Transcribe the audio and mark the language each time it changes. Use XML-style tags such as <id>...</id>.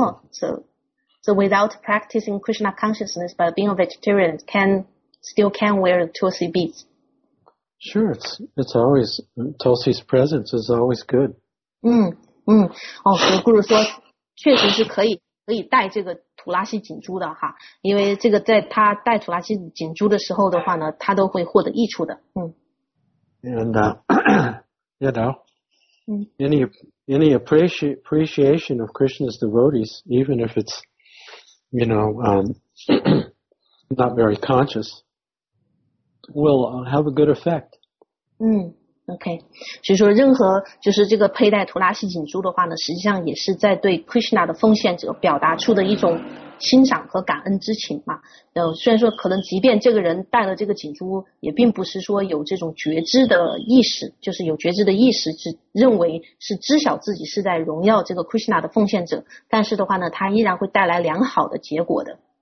<en>So without practicing Krishna consciousness but being a vegetarian, can wear the Tulsi beads? Sure, it's always, Tulsi's presence is always good.</en> <zh>所以Guru说确实是可以带这个土拉西锦珠的哈，因为这个在他带土拉西锦珠的时候的话呢，他都会获得益处的。</zh> <en>And you know, any appreciation of Krishna's devotees, even if it's, you know, not very conscious, will have a good effect.</en> <zh>Okay, 所以说任何就是这个佩戴图拉西锦珠的话呢，实际上也是在对 Krishna 的奉献者表达出的一种欣赏和感恩之情嘛。虽然说可能即便这个人戴了这个锦珠，也并不是说有这种觉知的意识，就是有觉知的意识是认为是知晓自己是在荣耀这个 Krishna 的奉献者，但是的话呢，他依然会带来良好的结果的。</zh>